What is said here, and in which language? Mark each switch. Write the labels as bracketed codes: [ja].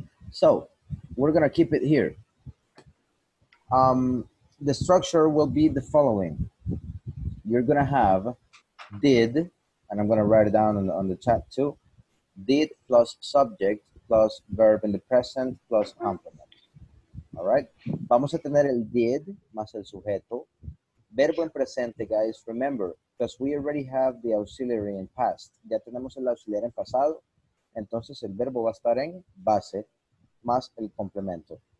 [en] So we're going to keep it here. The structure will be the following. You're going to have did, and I'm going to write it down on the chat too. Did plus subject plus verb in the present plus complement. All right. [es] Vamos a tener el did más el sujeto. Verbo en presente, guys. [en] Remember, because we already have the auxiliary in past. [es] Ya tenemos el auxiliar en pasado. Entonces el verbo va a estar en base más el complemento.